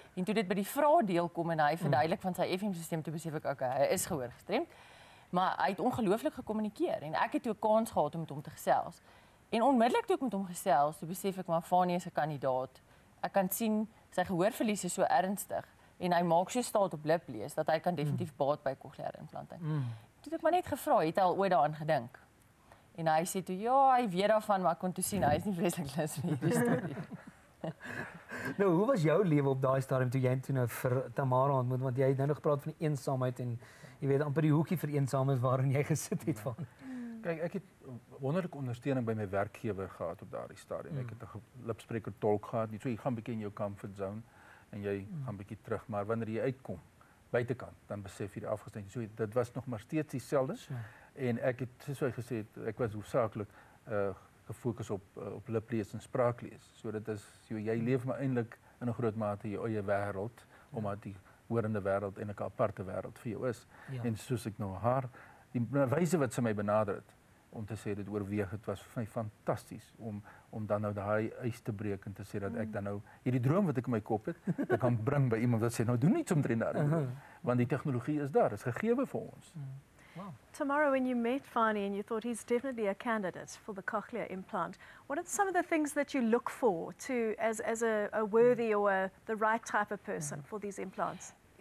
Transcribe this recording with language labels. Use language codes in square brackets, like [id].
[af] En toe dit by die vraagdeel kom en hy verduidelik van sy FM-sisteem, toe besef ek, ok, hy is gehoorgestremd. Maar hy het ongelooflik gekommunikeer en ek het toe 'n kans gehad om met hom te gesels. En onmiddellik toe ek met hom gesels, toe besef ek, maar Fanny is 'n kandidaat. Ek kan sien, sy gehoorverlies is so ernstig. En hy maak so staat op liplees, dat hy kan definitief baat by cochleaire implanting. Toe het ek maar net gevra, het hy al ooit daaraan gedink? En hy sê toe, ja, hy weet daarvan, maar ek kon toe sien, hy is nie vreeslik lus vir hierdie storie. Nou, hoe was jou lewe op daai stadium, toe jy toe nou vir Tamara ontmoet? Want jy het nou nog gepraat van die eensaamheid, en jy weet, amper die hoekie vir eensaamheid waarin jy gesit het van. Kyk, ek het wonderlike ondersteuning by my werkgewer gehad op daai stadium. Ek het 'n lipspreker tolk gehad, nie, so jy gaan bietjie in jou comfort zone, en jy gaan bietjie terug, maar wanneer jy uitkom, buitekant, dan besef jy die afgesneid. So, dit was nog maar steeds dieselfde, en ek het, soos hy gesê, ek was hoofsaaklik gefokus op liplees en spraaklees. So, dit is, so, jy leef maar eindelijk in 'n groot mate jou eie wêreld, omdat die hoorende wêreld en 'n aparte wêreld vir jou is. Ja. En soos ek nou haar, die wyse wat sy my benader het, om te sê, dit oorweeg, het was vir my fantasties om dan nou daai ys te breek en te sê dat ek dan nou hierdie droom wat ek in my kop het, ek kan bring by iemand wat sê, nou doen iets omtrent daar. Want die tegnologie is daar, is gegewe vir ons. [en] Tomorrow, when you met Fani and you thought he's definitely a candidate for the cochlear implant, what are some of the things that you look for to as a worthy or the right type of person for these implants?